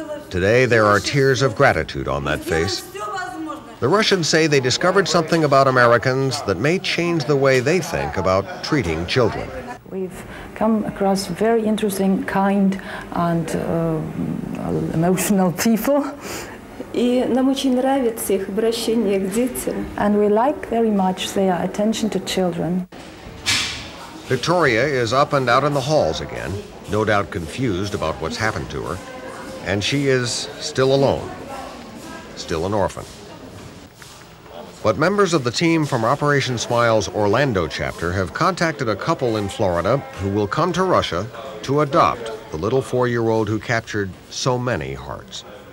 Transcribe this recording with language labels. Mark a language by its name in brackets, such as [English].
[English] Today, there are tears of gratitude on that face. The Russians say they discovered something about Americans that may change the way they think about treating children. We've come across very interesting, kind, and emotional people. [Russian] И нам очень нравится их обращение к детям. [English] And we like very much their attention to children. Victoria is up and out in the halls again, no doubt confused about what's happened to her. And she is still alone, still an orphan. But members of the team from Operation Smile's Orlando chapter have contacted a couple in Florida who will come to Russia to adopt the little 4-year-old who captured so many hearts.